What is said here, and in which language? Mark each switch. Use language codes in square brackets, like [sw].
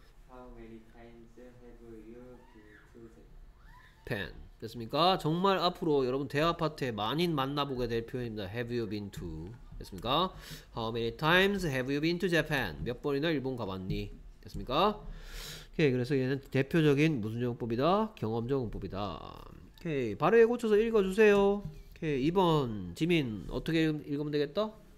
[en] How many times have you been to Japan? [ko] 됐습니까? 정말 앞으로 여러분 대화 파트에 많이 만나보게 될 표현입니다. [en] Have you been to? 됐습니까? How many times have you been to Japan? [ko] 몇 번이나 일본 가봤니? 됐습니까? 오케이, 그래서 얘는 대표적인 무슨 용법이다? 경험적 용법이다. 오케이, 발음에 고쳐서 읽어주세요. 오케이, 2번 지민 어떻게 읽으면 되겠다?